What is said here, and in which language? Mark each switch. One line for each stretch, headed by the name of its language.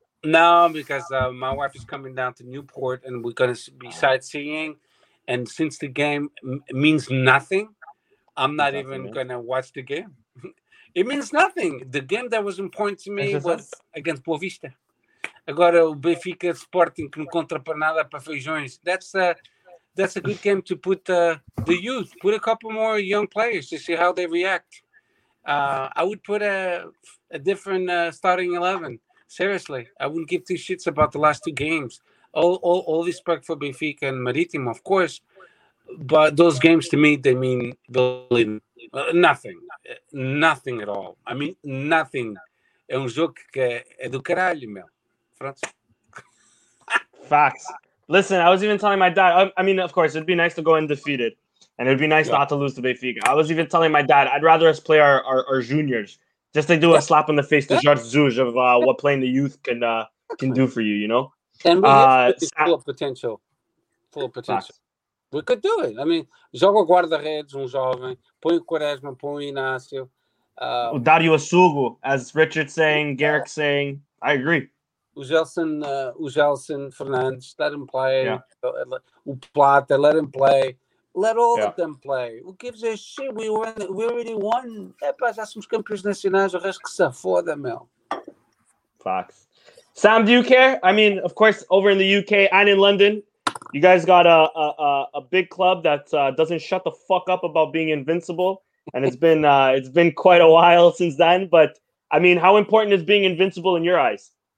English: No, because my wife is coming down to Newport, and we're going to be sightseeing. And since the game means nothing, I'm not exactly even going to watch the game. It means nothing. The game that was important to me was against Boa Vista.
Portuguese: Agora, o Benfica Sporting, que não contra para nada, para feijões.
English: That's a good game to put the youth, put a couple more young players to see how they react. I would put a different starting 11. Seriously, I wouldn't give two shits about the last two games. All respect for Benfica and Marítimo, of course, but those games to me, they mean nothing. Nothing at all. I mean, nothing.
Portuguese: É jogo que é do caralho, meu.
English: Facts. Listen, I was even telling my dad, I mean, of course, it'd be nice to go undefeated, and it'd be nice not to lose to Benfica. I was even telling my dad, I'd rather us play our juniors. Just to do a slap in the face to Jorge Jesus of what playing the youth can do for you, you know? And we have full of potential. Full of potential. Fast. We could do it.
Portuguese: I mean, joga guarda-redes, jovem. Põe o Quaresma, põe o Inácio.
English: O Dario Açugo, as Richard saying, Garrick saying. I agree. O Gelson Fernandes, let him play. Yeah. O Plata, let him play. Let all of them play. Who gives a shit? We already won.
Portuguese: Epa, já somos campeões nacionais. O resto que se foda, meu.
English: Fox. Sam, do you care? I mean, of course, over in the UK and in London, you guys got a big club that doesn't shut the fuck up about being invincible. And it's been quite a while since then. But, I mean, how important is being invincible in your eyes?